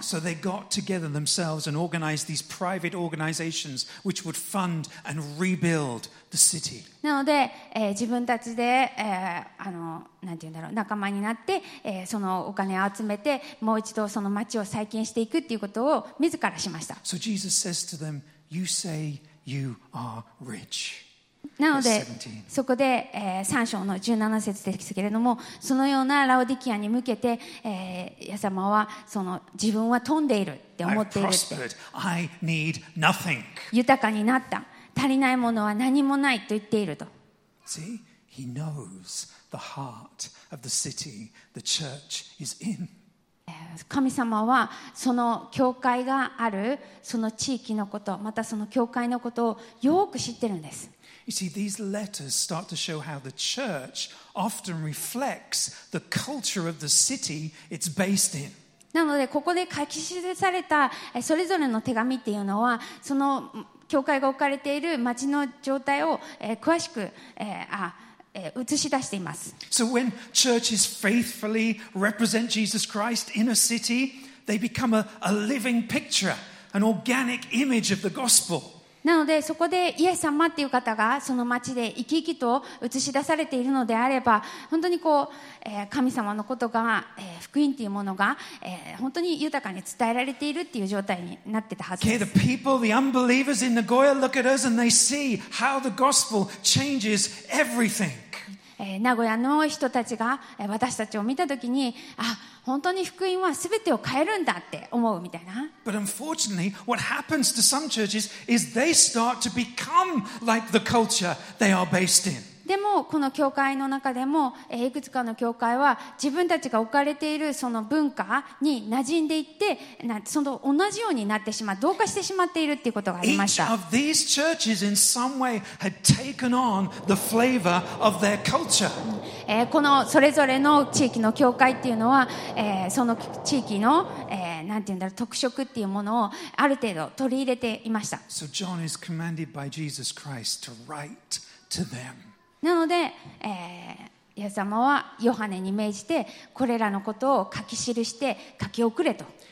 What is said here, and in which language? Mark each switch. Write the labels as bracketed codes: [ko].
[ja] なので、自分たちで、なんていうんだろう仲間になって、そのお金を集めてもう一度その町を再建していくということを自らしました。 [en] So Jesus says to them, you say you are rich. [ja] なのでそこで、3章の17節ですけれども、そのようなラオディキアに向けて、イエス様はその自分は富んでいるって思っているって [en] 。 I need nothing. [ja] 豊かになった。足りないものは何もないと言っていると。 [en] See, he knows the heart of the city the church is in. [ja] 神様はその教会があるその地域のこと、またその教会のことをよく知ってるんです。 [en] You see, these letters start to show how the church often reflects the culture of the city it's based in. [ja] なのでここで書き記されたそれぞれの手紙っていうのはその教会が置かれている町の状態を詳しく映し出しています。 [en] So when churches faithfully represent Jesus Christ in a city, they become a living picture, an organic image of the gospel. [ja] なのでそこでイエス様っていう方がその町で生き生きと映し出されているのであれば本当にこう神様のことが福音っていうものが本当に豊かに伝えられているっていう状態になってたはずです。 [en] Okay, the people, the unbelievers in Nagoya look at us and they see how the gospel changes everything. [ja] 名古屋の人たちが私たちを見たときに、あ、本当に福音は全てを変えるんだって思うみたいな。 [en] But unfortunately, what happens to some churches is they start to become like the culture they are based in. [ja] でもこの教会の中でもいくつかの教会は自分たちが置かれているその文化に馴染んでいってその同じようになってしまう同化してしまっているっていうことがありました。 [en] Each of these churches in some way had taken on the flavor of their culture. [ja] このそれぞれの地域の教会っていうのは、その地域の、なんていうんだろう特色っていうものをある程度取り入れていました。 [en] So John is commanded by Jesus Christ to write to them. [ja] なので、イエス様はヨハネに命じてこれらのことを書き記して書き送れと